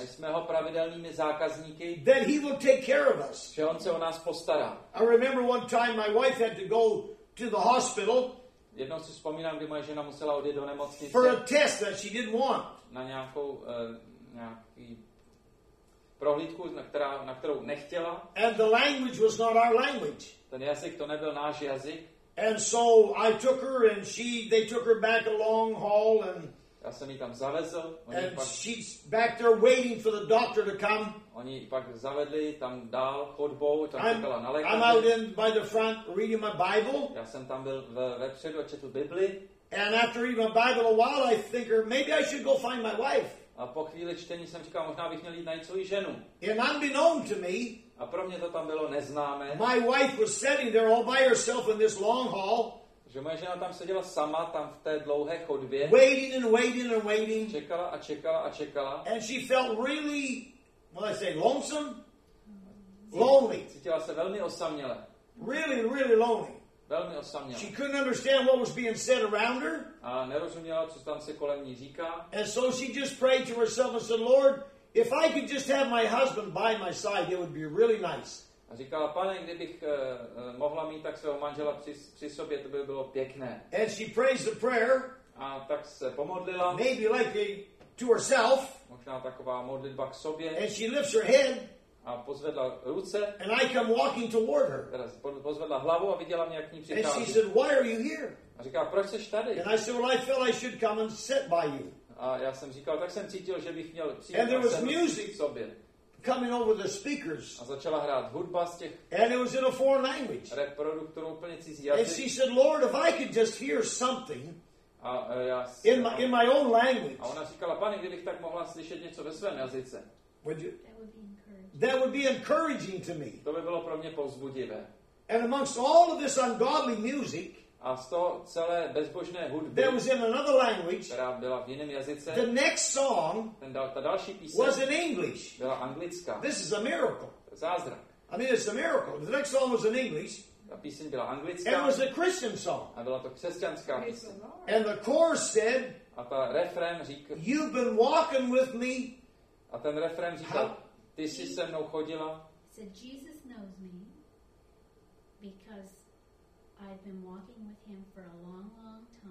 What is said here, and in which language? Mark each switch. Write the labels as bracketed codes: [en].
[cs] A jsme ho pravidelnými zákazníky. [en] Then he will take care of us. [cs] Že on se o nás postará. [en] I remember one time my wife had to go to the hospital. [cs] Jednou si vzpomínám, kdy moje žena musela odjet do nemocnice. [en] For a test that she didn't want. [cs] Na nějaký prohlídku, na kterou nechtěla. [en] And the language was not our language. [cs] Ten jazyk, to nebyl náš jazyk. [en] And so I took her and they took her back a long hall and [cs] já jsem ji tam zavezl. [en] And she's back there waiting for the doctor to come. [cs] Oni pak zavedli tam dál chodbou, tam čekala na lékaře. [en] I'm out in by the front reading my Bible. [cs] Já jsem tam byl vepředu a četl Bibli. [en] And after reading my Bible a while, I think, maybe I should go find my wife. [cs] A po chvíli čtení jsem říkal, možná bych měl jít najít svou ženu. [en] And unbeknown to me, [cs] a pro mě to tam bylo neznámé. [en] My wife was sitting there all by herself in this long hall. [cs] Že moje žena tam seděla sama, tam v té dlouhé chodbě. [en] Waiting and waiting and waiting. [cs] Čekala a čekala a čekala. [en] And she felt really, what did I say, lonesome? Lonely. [cs] Cítila se velmi osamělé. [en] Really, really lonely. [cs] Velmi osamělá. [en] She couldn't understand what was being said around her. [cs] A nerozuměla, co tam se kolem ní říká. [en] And so she just prayed to herself and said, Lord, if I could just have my husband by my side, it would be really nice. [cs] A říkala, pane, kdybych mohla mít tak svého manžela při sobě, to by bylo pěkné. [en] And she prays the prayer. [cs] A tak se pomodlila. [en] Maybe like to herself. [cs] Možná taková modlitba k sobě. [en] And she lifts her head. [cs] A pozvedla ruce. [en] And I come walking toward her. [cs] Teraz pozvedla hlavu a viděla mě, jak k ní přichází. [en] And she said, why are you here? [cs] A říkala, proč jsi tady? [en] And I said, well, I felt I should come and sit by you. [cs] A já jsem říkal, tak jsem cítil, že bych měl přijít. [en] And there was music coming over the speakers. [cs] A začala hrát hudba z těch. [en] And it was in a foreign language. [cs] Reproduktor úplně cizí jazyk. [en] And she said, Lord, if I could just hear something. [cs] A já [en] in my own language. [cs] A ona říkala, pane, kdybych tak mohla slyšet něco ve svém jazyce. [en] Would you? That would be encouraging to me. [cs] To by bylo pro mě povzbudivé. [en] And amongst all of this ungodly music, [cs] a z toho celé bezbožné hudby, [en] there was in another language, [cs] která byla v jiném jazyce, [en] the next song, [cs] ta další píseň, [en] was in English. [cs] Byla anglická. [en] This is a miracle. [cs] Zázrak. [en] I mean, it's a miracle. The next song was in English. [cs] Ta píseň byla anglická. [en] And it was a Christian song. [cs] A byla to křesťanská píseň. [en] And the chorus said, [cs] a ta refrén říkal, [en] you've been walking with me. [cs] A ten refrén říkal, ty jsi se mnou chodila. [en] Said Jesus knows me because I've been walking with him for a long, long time.